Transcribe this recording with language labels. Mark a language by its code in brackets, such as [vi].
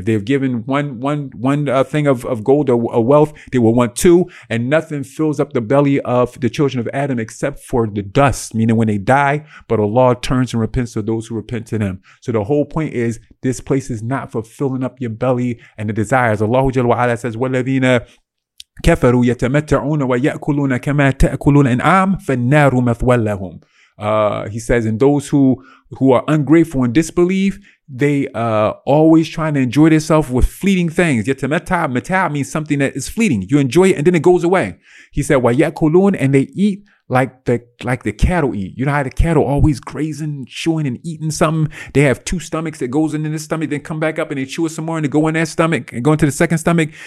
[en] If they've given one thing of gold or a wealth, they would want two. And nothing fills up the belly of the children of Adam except for the dust, meaning when they die, but Allah turns and repents to those who repent to them. So the whole point is, this place is not for filling up your belly and the desires. [ar] Allah Jalla wa Ala says, وَالَّذِينَ كَفَرُوا يَتَمَتَّعُونَ وَيَأْكُلُونَ كَمَا تَأْكُلُونَ إِنْعَامُ فَالنَّارُ مَثْوًى لَهُمْ. [en] He says, and those who are ungrateful and disbelieve, they always trying to enjoy themselves with fleeting things. يَتَمَتَّعُ means something that is fleeting. You enjoy it and then it goes away. He said, وَيَأْكُلُونَ, and they eat like the cattle eat. You know how the cattle always grazing, chewing and eating something? They have two stomachs that goes into the stomach, then come back up and they chew it some more and they go in that stomach and go into the second stomach.